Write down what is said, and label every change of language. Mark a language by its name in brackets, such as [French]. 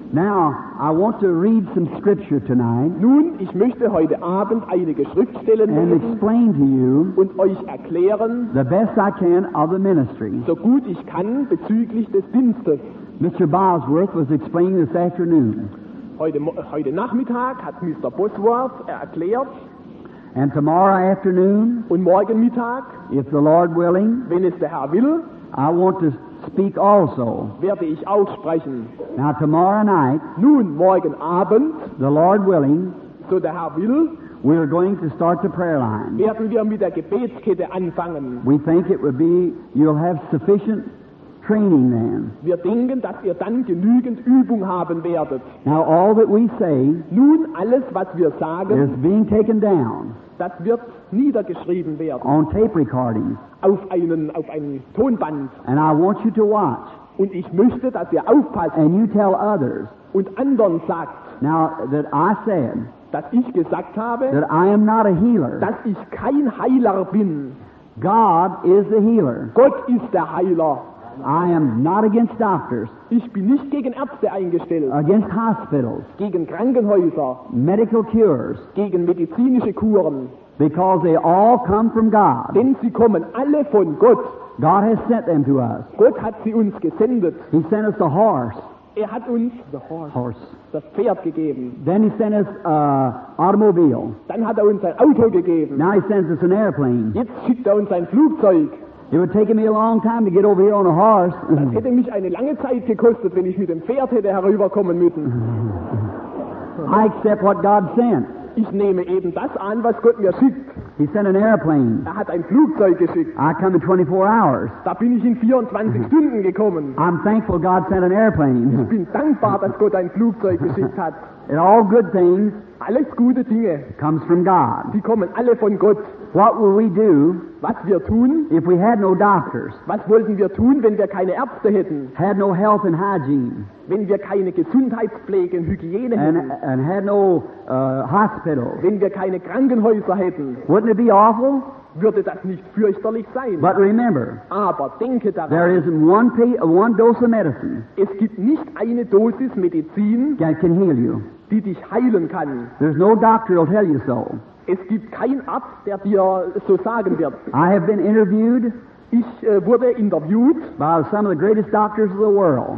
[English] Now, I want to read some scripture tonight. [German] Nun, ich möchte heute Abend einige Schriftstellen lesen. [English] And explain to you. [German] Und euch erklären. [English] The best I can of the ministry. [German] So gut ich kann bezüglich des Dienstes. [English] Mr. Bosworth was explaining this afternoon. [German] Heute Nachmittag hat Mr. Bosworth erklärt. [English] And tomorrow afternoon. [German] Und morgen Mittag. [English] If the Lord willing. [German] Wenn es der Herr will. [English] I want to speak also. [German] Werde ich auch sprechen. [English] Now tomorrow night. [German] Nun morgen Abend. [English] The Lord willing. [German] So der Herr will. [English] We are going to start the prayer line. [German] Werden wir mit der Gebetskette anfangen. [English] We think it would be, you'll have sufficient training then. [German] Wir denken, dass ihr dann genügend Übung haben werdet. [English] Now all that we say, [German] nun alles, was wir sagen, [English] is being taken down. [German] Das wird niedergeschrieben werden. [English] On tape recording. [German] Auf einen Tonband. [English] And I want you to watch. [German] Und ich möchte, dass ihr aufpasst. [English] And you tell others. [German] Und anderen sagt. [English] Now that I said, [German] dass ich gesagt habe, [English] that I am not a healer. [German] Dass ich kein Heiler bin. [English] God is the healer. [German] Gott ist der Heiler. [English] I am not against doctors. [German] Ich bin nicht gegen Ärzte eingestellt. [English] Against hospitals. [German] Gegen Krankenhäuser. [English] Medical cures. [German] Gegen medizinische Kuren. [English] Because they all come from God. [German] Denn sie kommen alle von Gott. [English] God has sent them to us. [German] Gott hat sie uns gesendet. [English] He sent us a horse. [German] Er hat uns das Pferd gegeben. [English] Then he sent us an automobile. [German] Dann hat uns ein Auto gegeben. [English] Now he sends us an airplane. [German] Jetzt schickt uns ein Flugzeug. [English] It would take me a long time to get over here on a horse. [German] Das hätte mich eine lange Zeit gekostet, wenn ich mit dem Pferd hätte herüberkommen müssen. [English] I accept what God sent. [German] Ich nehme eben das an, was Gott mir schickt. [English] He sent an airplane. [German] Er hat ein Flugzeug geschickt. [English] I come in 24 hours. [German] Da bin ich in 24 Stunden gekommen. [English] I'm thankful God sent an airplane. [German] Ich bin dankbar, dass Gott ein Flugzeug geschickt hat. [English] And all good things, [German] alles gute Dinge, [English] comes from God. [German] Die kommen alle von Gott. [English] What will we do, [German] was wir tun, [English] if we had no doctors? [German] Was wollten wir tun, wenn wir keine Ärzte hätten? [English] Had no health and hygiene. [German] Wenn wir keine Gesundheitspflege und Hygiene hätten. [English] And had no hospitals. [German] Wenn wir keine Krankenhäuser hätten. [English] Wouldn't it be awful? [German] Würde das nicht fürchterlich sein? [English] But remember, [German] aber denke daran, [English] there isn't one dose of medicine. [German] Es gibt nicht eine Dosis Medizin, [English] that can heal you. [German] Die dich heilen kann. [English] There's no doctor who'll tell you so. [German] Es gibt kein Arzt, der dir so sagen wird. [English] I have been interviewed. [German] Ich wurde interviewt [English] by some of the greatest doctors of the world.